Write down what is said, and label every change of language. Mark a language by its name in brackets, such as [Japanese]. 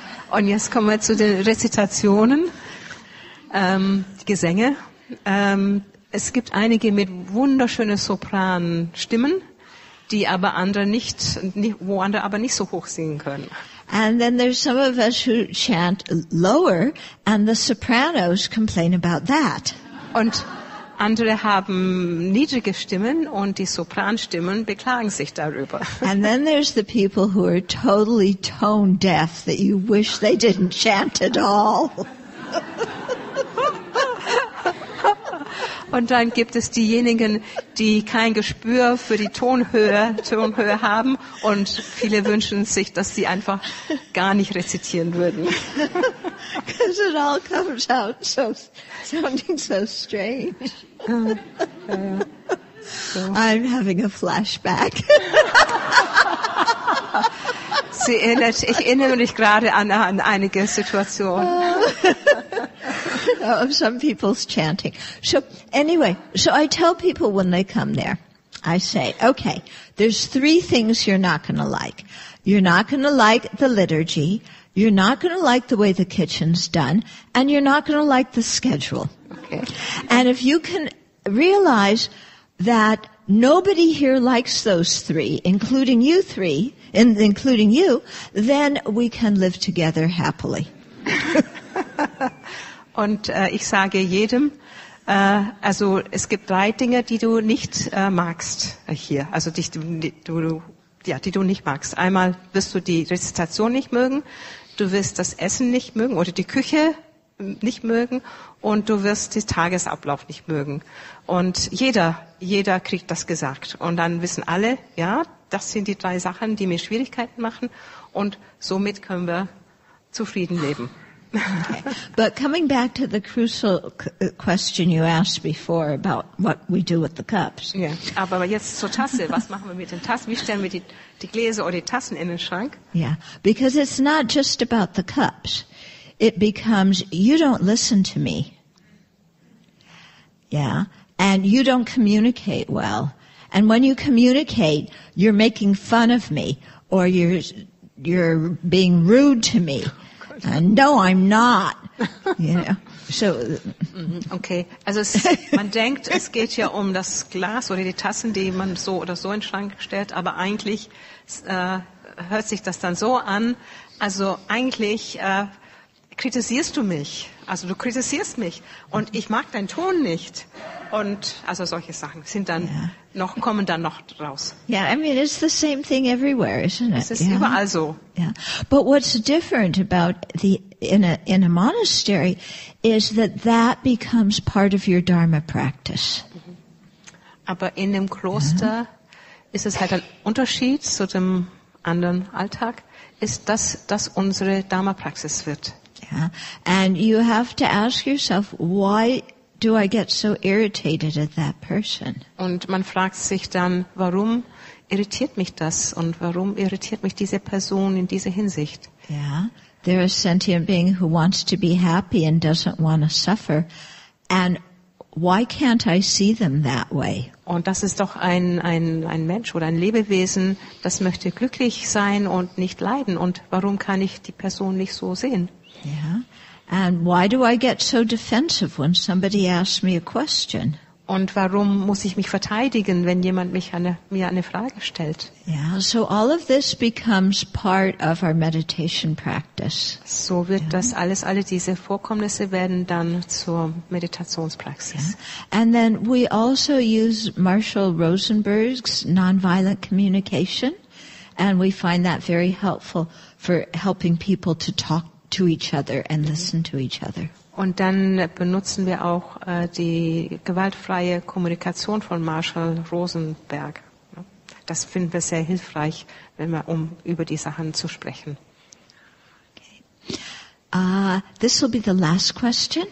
[German] Und jetzt kommen wir zu den Rezitationen, Gesänge. Es gibt einige mit wunderschönen Sopranstimmen, die aber andere nicht, wo andere aber nicht so hoch singen können. [English] And then there's some of us who chant lower, and the sopranos complain about that. [German] Und andere haben niedrige Stimmen und die Sopranstimmen beklagen sich darüber. [English] And then there's the people who are totally tone deaf that you wish they didn't chant at all. [German] Und dann gibt es diejenigen, die kein Gespür für die Tonhöhe haben und viele wünschen sich, dass sie einfach gar nicht rezitieren würden. [English] Because it all comes out so, sounding so strange. I'm having a flashback. [German] Ich erinnere mich gerade an einige Situationen. [English] Of some people's chanting. So anyway, so I tell people when they come there, I say, okay, there's three things you're not going to like. You're not going to like the liturgy. You're not going to like the way the kitchen's done. And you're not going to like the schedule. Okay. And if you can realize that nobody here likes those three, including you, then we can live together happily. [German] Und ich sage jedem, also es gibt drei Dinge, die du nicht magst hier, also die du nicht magst. Einmal wirst du die Rezitation nicht mögen, du wirst das Essen nicht mögen oder die Küche nicht mögen und du wirst den Tagesablauf nicht mögen. Und jeder kriegt das gesagt. Und dann wissen alle, ja, das sind die drei Sachen, die mir Schwierigkeiten machen und somit können wir zufrieden leben. Okay. [English] But coming back to the crucial question you asked before about what we do with the cups. [German] Yeah. Aber jetzt zur Tasse. Was machen wir mit den Tassen? Wie stellen wir die Gläser oder die Tassen in den Schrank? [English] Yeah. Because it's not just about the cups. It becomes, you don't listen to me. Yeah. And you don't communicate well. And when you communicate, you're making fun of me or you're being rude to me. No, I'm not. Yeah. So. Okay. [German] Also man denkt, es geht ja um das Glas oder die Tassen, die man so oder so in den Schrank stellt, aber eigentlich hört sich das dann so an. Also eigentlich kritisierst du mich. Also du kritisierst mich und ich mag deinen Ton nicht. Und also solche Sachen sind dann noch kommen dann noch raus. [English] Yeah, I mean it's the same thing everywhere, isn't it? [German] Es ist überall so. [English] Yeah, but what's different about the in a monastery is that becomes part of your dharma practice. [German] Aber in dem Kloster ist es halt ein Unterschied zu dem anderen Alltag, ist das unsere Dharma Praxis wird. [English] Yeah, and you have to ask yourself, why do I get so irritated at that person? [German] Und man fragt sich dann, warum irritiert mich das und warum irritiert mich diese Person in dieser Hinsicht? [English] Yeah, there is a sentient being who wants to be happy and doesn't want to suffer, and why can't I see them that way? [German] Und das ist doch ein Mensch oder ein Lebewesen, das möchte glücklich sein und nicht leiden. Und warum kann ich die Person nicht so sehen? Yeah. [English] And why do I get so defensive when somebody asks me a question? [German] Und warum muss ich mich verteidigen, wenn jemand mir eine Frage stellt? [English] Yeah, so all of this becomes part of our meditation practice. [German] So wird das alles, alle diese Vorkommnisse werden dann zur Meditationspraxis. Yeah. [English] And then we also use Marshall Rosenberg's nonviolent communication, and we find that very helpful for helping people to talk to each other and listen to each other. [German] Und dann benutzen wir auch die gewaltfreie Kommunikation von Marshall Rosenberg. Das finden wir sehr hilfreich, wenn wir über die Sachen zu sprechen. [English] Okay. This will be the last question.